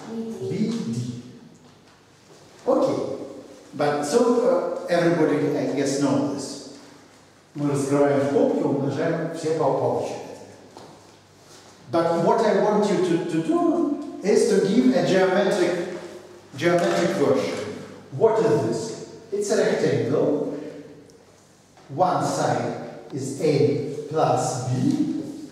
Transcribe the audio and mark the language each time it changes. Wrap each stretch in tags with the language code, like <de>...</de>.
<en>bd Okay, but so everybody I guess knows this.</en> <ru>Мы раскрываем скобки, умножаем все по очереди.</ru> <en>But what I want you to do is to give a geometric version. What is this? It's a rectangle. One side is A plus B.</en>